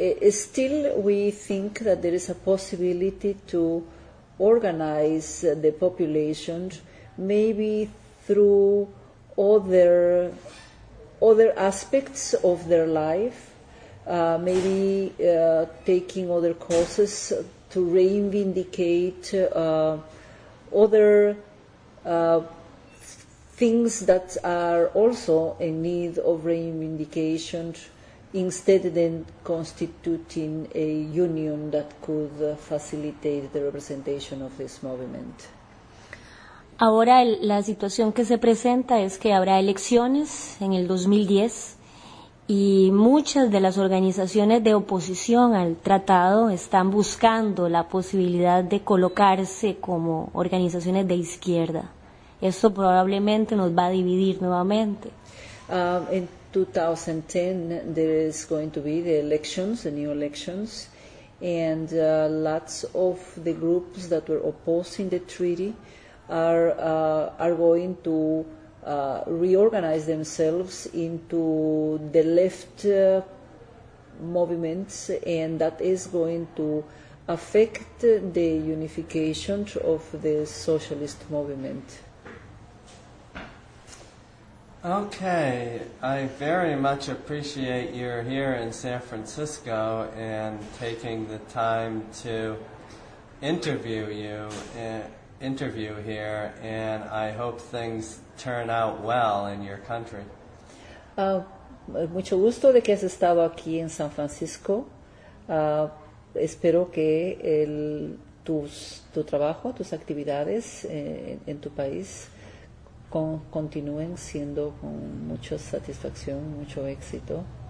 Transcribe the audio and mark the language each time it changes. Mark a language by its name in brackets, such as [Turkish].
[English] Still, we think that there is a possibility to organize the population, maybe through other aspects of their life, maybe taking other causes to reivindicate other things that are also in need of reivindication, instead of constituting a union that could facilitate the representation of this movement. [Spanish] Ahora la situación que se presenta es que habrá elecciones en el 2010 y muchas de las organizaciones de oposición al tratado están buscando la posibilidad de colocarse como organizaciones de izquierda. Esto probablemente nos va a dividir nuevamente. [English] In 2010 there is going to be the elections, the new elections, and lots of the groups that were opposing the treaty are going to reorganize themselves into the left movements, and that is going to affect the unification of the socialist movement. Okay, I very much appreciate you're here in San Francisco and taking the time to interview here, and I hope things turn out well in your country. [Spanish] Mucho gusto de que has estado aquí en San Francisco. Espero que tu trabajo, tus actividades en tu país continúen siendo con mucha satisfacción, mucho éxito.